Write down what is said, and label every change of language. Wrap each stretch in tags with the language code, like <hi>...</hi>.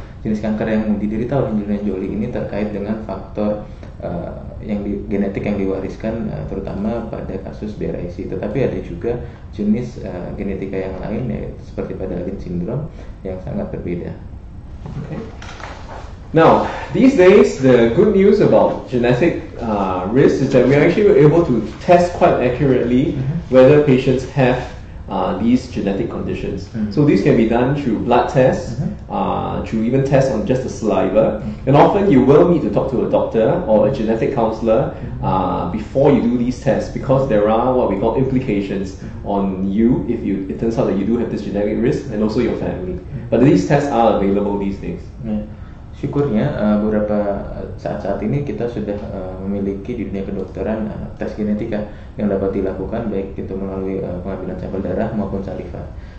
<id>Jenis kanker yang diderita oleh Angelina Jolie ini terkait dengan faktor genetik yang diwariskan terutama pada kasus BRCA. Tetapi ada juga jenis genetika yang lain ya, seperti pada Lynch syndrome yang sangat berbeda.</id> <en>Now, these days, the good news about genetic risk is that we are actually able to test quite accurately whether patients have these genetic conditions. So these can be done through blood tests, through even tests on just the saliva. And often you will need to talk to a doctor or a genetic counselor before you do these tests, because there are what we call implications on you if you, it turns out that you do have this genetic risk, and also your family. But these tests are available these days.</en> <id>Syukurnya beberapa saat-saat ini kita sudah memiliki di dunia kedokteran tes genetika yang dapat dilakukan baik itu melalui pengambilan sampel darah maupun saliva.</id>